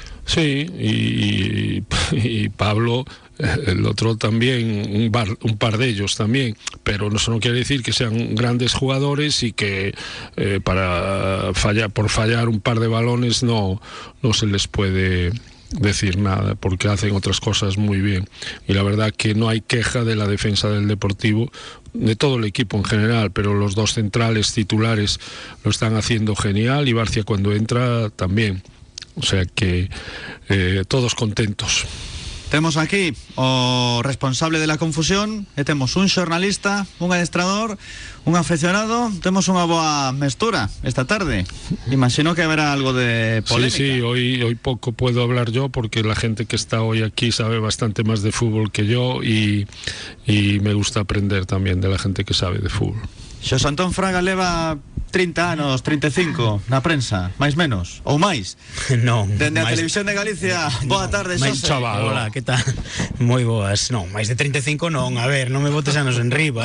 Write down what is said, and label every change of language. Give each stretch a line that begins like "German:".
Spanish: Sí, y Pablo, el otro también, un par de ellos también, pero eso no quiere decir que sean grandes jugadores y que por fallar un par de balones no se les puede decir nada, porque hacen otras cosas muy bien. Y la verdad que no hay queja de la defensa del Deportivo, de todo el equipo en general, pero los dos centrales titulares lo están haciendo genial y Barcia cuando entra también. O sea que todos contentos.
Galician: Temos aquí o responsable de La Confusión, e temos un xornalista, un adestrador, un aficionado, temos unha boa mestura esta tarde. Imagino que haberá algo de polémica.
Spanish: Sí, hoy pouco puedo hablar yo porque la gente que está hoy aquí sabe bastante más de fútbol que yo y me gusta aprender también de la gente que sabe de fútbol.
Galician: Xosé Antón Fraga leva 30 anos, 35, na prensa, máis menos, ou máis? Non. Dende a Televisión de Galicia, boa tarde, Xosé. Chaval.
Spanish: Hola, que tal?
Galician: Moi boas. Non, máis de 35 non, a ver, non me botes anos en riba,